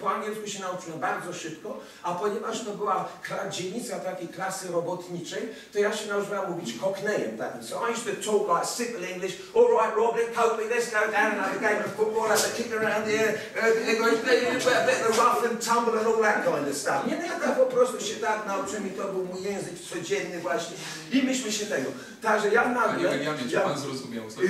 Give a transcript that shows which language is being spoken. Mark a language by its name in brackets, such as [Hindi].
[Polish] Po angielsku się nauczyłem bardzo szybko, a ponieważ to była dzielnica takiej klasy robotniczej, to ja się nauczyłem mówić cockneyem takim. [English] So I used to talk like simple English, all right, Robert, help me, let's go down, and I have a game of football, I have a kick around the air, and you put a bit of the rough and tumble and all that kind of stuff. [Polish] Nie, no ja tak po prostu się tak nauczyłem i to był mój język codzienny właśnie i myśmy się tego. Także ja nawet... Panie Benjamin, czy pan zrozumiał?